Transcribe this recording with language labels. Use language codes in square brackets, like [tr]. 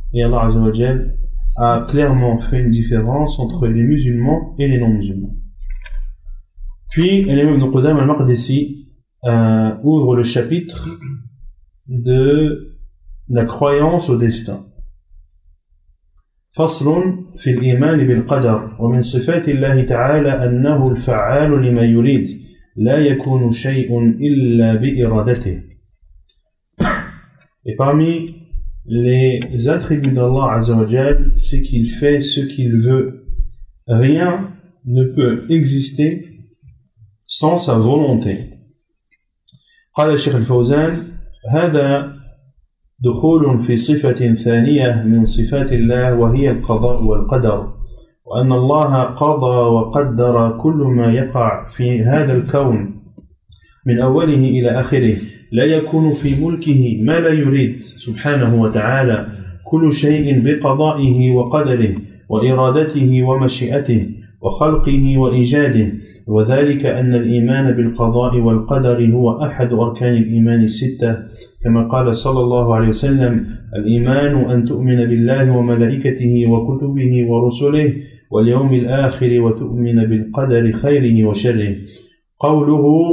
[fr] Et Allah azza wa jal a clairement fait une différence entre les musulmans et les non-musulmans. Puis, l'imam ibn Qudama al-Maqdisi ouvre le chapitre de la croyance au destin. [ar] فصل في الإيمان بالقدر ومن صفات الله تعالى أنه الفعال لما يريد لا يكون شيء إلا بإرادته. [fr] Et parmi les attributs d'Allah Azza wa Jal, c'est qu'il fait ce qu'il veut. Rien ne peut exister sans sa volonté. [ar] قال الشيخ الفوزان هذا دخول في صفة ثانية من صفات الله وهي القضاء والقدر وأن الله قضى وقدر كل ما يقع في هذا الكون من أوله إلى آخره لا يكون في ملكه ما لا يريد سبحانه وتعالى كل شيء بقضائه وقدره وإرادته ومشيئته وخلقه وإيجاده وذلك أن الإيمان بالقضاء والقدر هو أحد أركان الإيمان الستة كما قال صلى الله عليه وسلم الإيمان أن تؤمن بالله وملائكته وكتبه ورسله واليوم الآخر وتؤمن بالقدر خيره وشره قوله